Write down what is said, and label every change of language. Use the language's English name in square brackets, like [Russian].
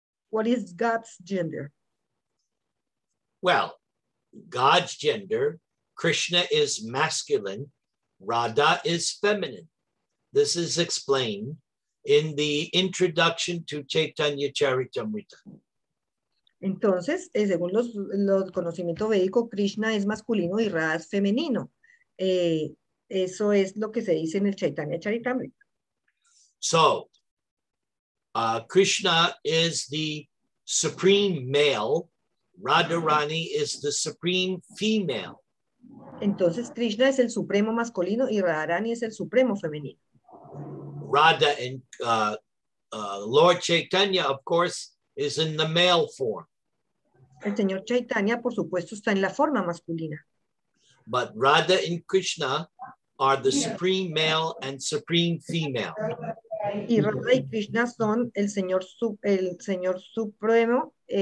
[English] What is God's gender? Well, God's gender, Krishna is masculine, Radha is feminine. This is explained in the introduction to Chaitanya Charitamrita. [Spanish] Entonces, según los conocimientos védicos, Krishna es masculino y Radha es femenino. Eso es lo que se dice en el Chaitanya Charitamrita. [English] So, Krishna is the supreme male. Radharani is the supreme female. [Spanish] Entonces, Krishna es el supremo masculino y Radharani es el supremo femenino. [English] Radha and Lord Chaitanya, of course, is in the male form. [Spanish] El señor Chaitanya, por supuesto, está en la forma masculina. [English] But Radha and Krishna are the supreme male and supreme female. [Spanish] Y Radha y Krishna son el señor supremo.